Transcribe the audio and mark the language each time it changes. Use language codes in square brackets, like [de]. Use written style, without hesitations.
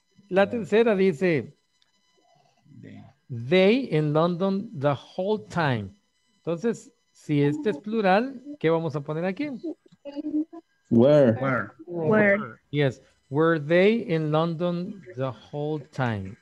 [es] La tercera dice, [en] they in London the whole time. [es] Entonces, si este es plural, ¿qué vamos a poner aquí? [en] Where. Yes, were they in London the whole time?